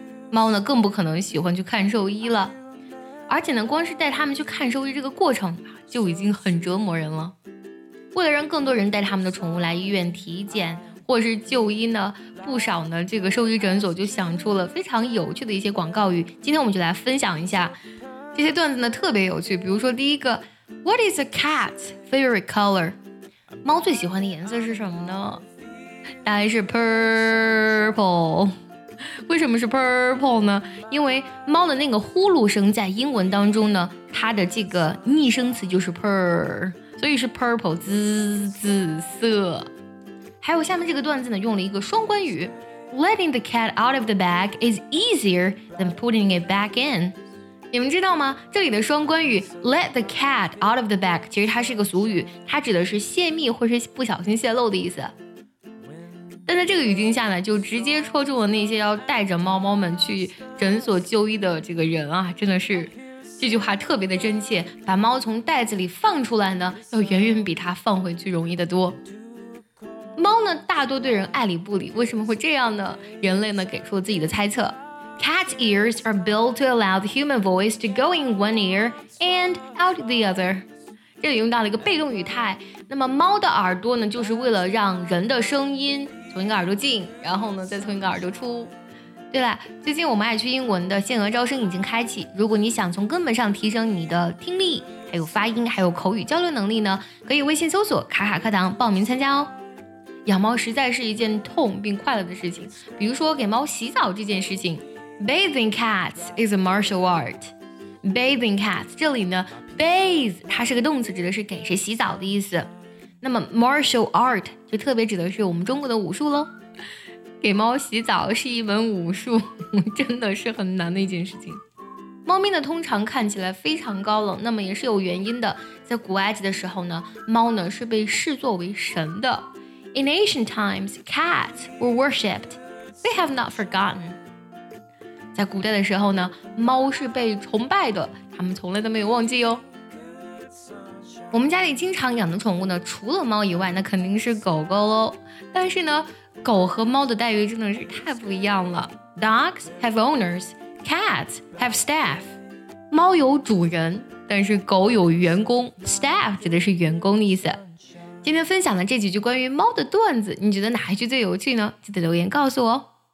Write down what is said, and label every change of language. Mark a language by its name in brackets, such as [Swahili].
[Chinese] 猫呢更不可能喜欢去看兽医了，而且呢光是带他们去看兽医这个过程就已经很折磨人了。为了让更多人带他们的宠物来医院体检或是就医呢，不少呢这个兽医诊所就想出了非常有趣的一些广告语。今天我们就来分享一下这些段子呢，特别有趣。比如说第一个 [English] What is a cat's favorite color? [Chinese] 猫最喜欢的颜色是什么呢？答案是 purple。为什么是 purple 呢？因为猫的那个呼噜声在英文当中呢，它的这个拟声词就是 purr， 所以是 purple， 滋滋色。还有下面这个段子呢，用了一个双关语， [English] Letting the cat out of the bag is easier than putting it back in。 [Chinese] 你们知道吗？这里的双关语 [English] Let the cat out of the bag [Chinese] 其实它是一个俗语，它指的是泄密或是不小心泄露的意思。但在这个语境下呢，就直接戳中了那些要带着猫猫们去诊所就医的这个人啊，真的是这句话特别的真切。把猫从袋子里放出来呢，要远远比它放回去容易得多。猫呢大多对人爱理不理，为什么会这样呢？人类呢给出了自己的猜测。 [English] Cat ears are built to allow the human voice to go in one ear and out the other。 [Chinese] 这里用到了一个被动语态，那么猫的耳朵呢就是为了让人的声音从一个耳朵进然后呢再从一个耳朵出。对了，最近我们爱趣英文的限额招生已经开启，如果你想从根本上提升你的听力还有发音还有口语交流能力呢，可以微信搜索卡卡课堂报名参加哦。养猫实在是一件痛并快乐的事情，比如说给猫洗澡这件事情。 [English] Bathing cats is a martial art。 Bathing cats [Chinese] 这里呢 bathe 它是个动词，指的是给谁洗澡的意思，那么 martial art 就特别指的是我们中国的武术咯。给猫洗澡是一门武术，真的是很难的一件事情。猫咪呢通常看起来非常高冷，那么也是有原因的。在古埃及的时候呢，猫呢是被视作为神的。 [English] In ancient times, cats were worshipped. They have not forgotten. [Chinese] 在古代的时候呢，猫是被崇拜的，他们从来都没有忘记哦。我们家里经常养的宠物呢，除了猫以外，那肯定是狗狗咯。但是呢，狗和猫的待遇真的是太不一样了。 [English] Dogs have owners, cats have staff. [Chinese] 猫有主人，但是狗有员工。Staff 指的是员工的意思。今天分享的这几句关于猫的段子，你觉得哪一句最有趣呢？记得留言告诉我哦。